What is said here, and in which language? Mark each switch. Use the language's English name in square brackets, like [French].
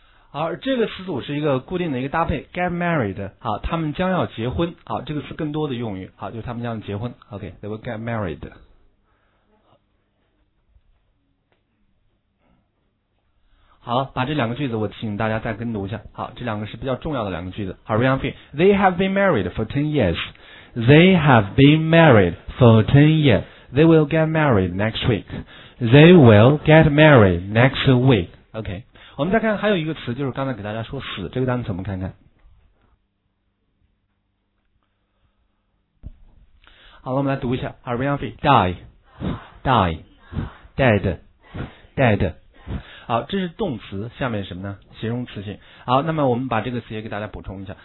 [Chinese] 而这个词组是一个固定的一个搭配 get married， 好，他们将要结婚，好，这个词更多的用于，好，就是他们将要结婚 OK， [English] they will get married。 [Chinese] 好，把这两个句子我请大家再跟读一下，好，这两个是比较重要的两个句子。 [English] 好， Ryan Fee， They have been married for 10 years， They have been married for 10 years， They will get married next week， They will get married next week。 [Chinese] OK，我们再看还有一个词，就是刚才给大家说死这个单词，我们看看。好了，我们来读一下 ，Ariane Fee， die， die， dead， dead。好，这是动词，下面什么呢？形容词性。好，那么我们把这个词也给大家补充一下。